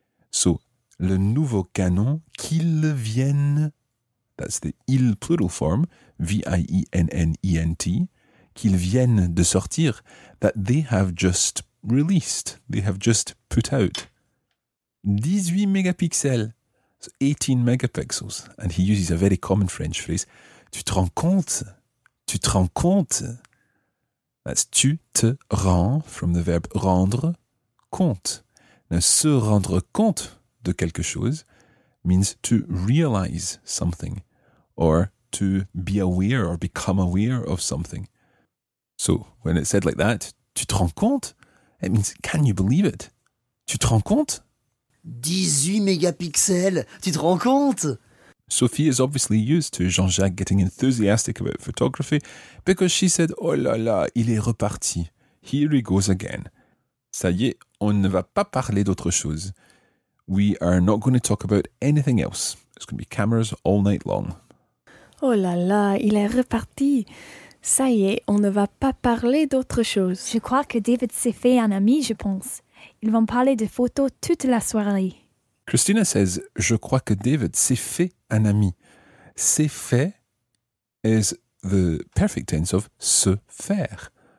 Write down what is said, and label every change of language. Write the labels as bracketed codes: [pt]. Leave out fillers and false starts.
[fr] So, le nouveau canon, qu'ils viennent. [en] That's the il plural form, V-I-E-N-N-E-N-T. [fr] Qu'ils viennent de sortir, [en] that they have just released, they have just put out. 18 mégapixels, so 18 megapixels. And he uses a very common French phrase, [fr] tu te rends compte, tu te rends compte. [en] That's [fr] tu te rends, [en] from the verb rendre, compte. Now, [fr] se rendre compte de quelque chose [en] means to realize something or to be aware or become aware of something. So, when it's said like that, [fr] tu te rends compte? [en] It means, can you believe it? [fr] Tu te rends compte? 18 mégapixels, tu te rends compte? [en] Sophie is obviously used to Jean-Jacques getting enthusiastic about photography because she said, [fr] oh là là, il est reparti. [en] Here he goes again. [fr] Ça y est, on ne va pas parler d'autre chose. [en] We are not going to talk about anything else. It's going to be cameras all night long. [fr] Oh là là, il est reparti. Ça y est, on ne va pas parler d'autre chose. Je crois que David s'est fait un ami, je pense. Ils vont parler de photos toute la soirée. [en] Christina says, [fr] je crois que David s'est fait un ami. S'est fait [en] is the perfect tense of se faire.